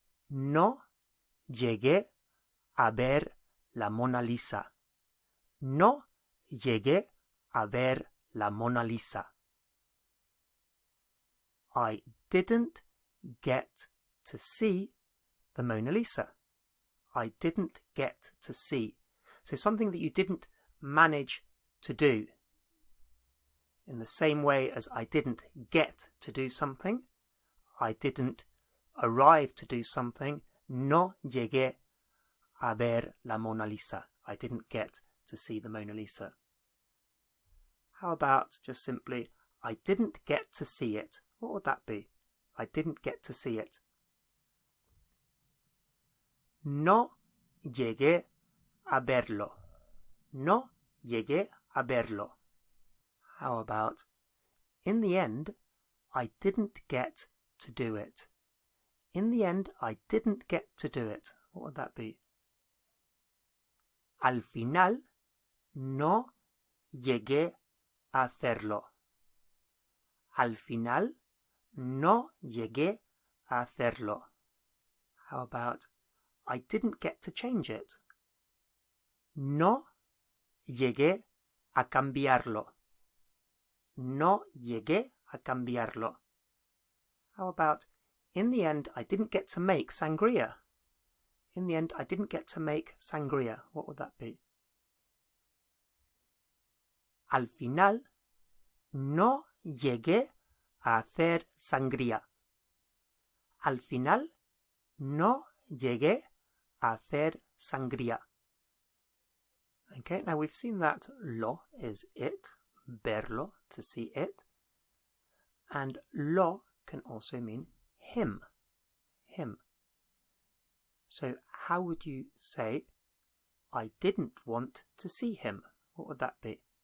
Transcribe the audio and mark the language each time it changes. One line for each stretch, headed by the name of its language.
Spanish: No llegué a ver la Mona Lisa. No llegué a ver la Mona Lisa.
English: I didn't get to see the Mona Lisa. I didn't get to see. So something that you didn't manage to do. In the same way as I didn't get to do something, I didn't arrive to do something.
Spanish: No llegué a ver la Mona Lisa.
English: I didn't get to see the Mona Lisa. How about just simply, I didn't get to see it. What would that be? I didn't get to see it.
Spanish: No llegué a verlo. No llegué a verlo.
English: How about, in the end, I didn't get to do it. In the end, I didn't get to do it. What would that be?
Spanish: Al final, no llegué a hacerlo. Al final, no llegué a hacerlo.
English: How about, I didn't get to change it.
Spanish: No llegué a cambiarlo. No llegué a cambiarlo.
English: How about, in the end, I didn't get to make sangria. In the end, I didn't get to make sangria. What would that be?
Spanish: Al final, no llegué a hacer sangría. Al final, no llegué a hacer sangría.
English: Okay, now we've seen that lo is it. Verlo, to see it. And lo can also mean him. Him. So how would you say, I didn't want to see him? What would that be?